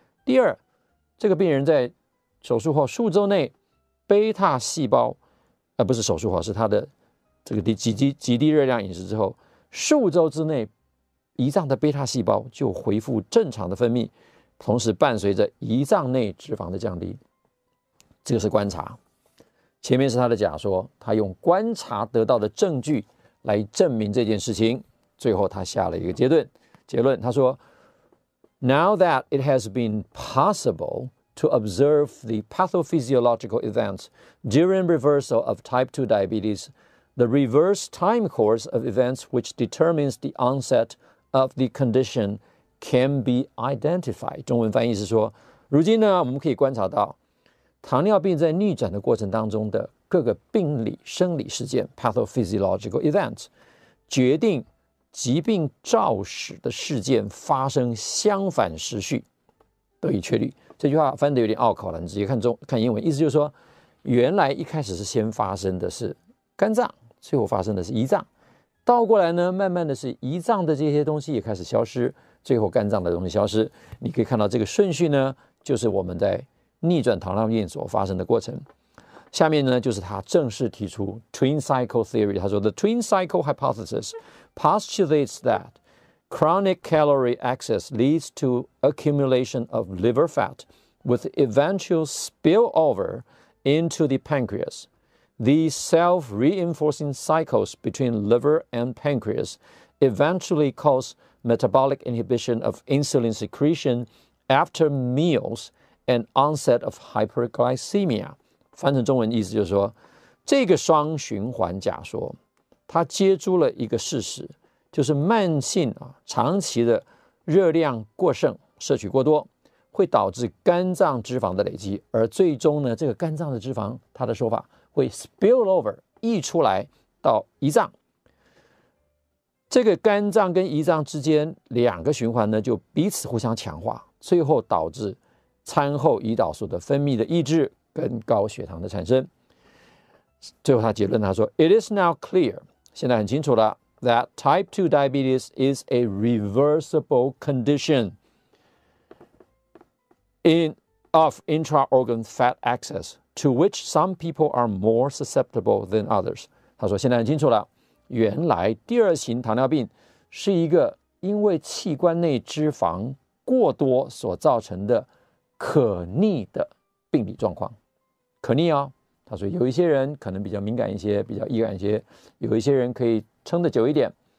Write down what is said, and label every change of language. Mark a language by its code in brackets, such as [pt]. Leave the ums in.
[zh] 第二，这个病人在手术后数周内，贝塔细胞，呃，不是手术后，是他的这个低极低极低热量饮食之后，数周之内，胰脏的贝塔细胞就恢复正常的分泌，同时伴随着胰脏内脂肪的降低，这个是观察。前面是他的假说，他用观察得到的证据来证明这件事情。 [en] 最后，他下了一个结论，结论他说：“Now that it has been possible to observe the pathophysiological events during reversal of type two diabetes, the reverse time course of events which determines the onset of the condition can be identified. identified。 [zh] ”中文翻译是说：“如今呢，我们可以观察到。 ”糖尿病在逆转的过程当中的各个病理生理事件 （pathophysiological e v e n t 决定疾病肇始的事件发生相反时序得以确立。这句话翻的有点拗口了，你直接看中看英文，意思就是说，原来一开始是先发生的是肝脏，最后发生的是胰脏；倒过来呢，慢慢的是胰脏的这些东西也开始消失，最后肝脏的东西消失。你可以看到这个顺序呢，就是我们在。逆转糖尿病所发生的过程。下面呢，就是他正式提出 twin cycle theory。 [en] 他说，the twin cycle hypothesis postulates that chronic calorie excess leads to accumulation of liver fat with eventual spillover into the pancreas. These self-reinforcing cycles between liver and pancreas eventually cause metabolic inhibition of insulin secretion after meals. [zh] And onset of hyperglycemia，翻译成中文意思就是说，这个双循环假说，它接住了一个事实，就是慢性啊长期的热量过剩摄取过多，会导致肝脏脂肪的累积，而最终呢，这个肝脏的脂肪，它的说法会 spill over 溢出来到胰脏，这个肝脏跟胰脏之间两个循环呢，就彼此互相强化，最后导致。餐后胰岛素的分泌的抑制跟高血糖的产生。 [en] 最后，他结论他说：“It is now clear，现在很清楚了， that type two diabetes is a reversible condition in of intraorgan fat a c c e s s to which some people are more susceptible than others。 [zh] ”他说：“现在很清楚了，原来第二型糖尿病是一个因为器官内脂肪过多所造成的。 ”可逆的病理状况，可逆哦。他说有一些人可能比较敏感一些，比较易感一些，有一些人可以撑得久一点。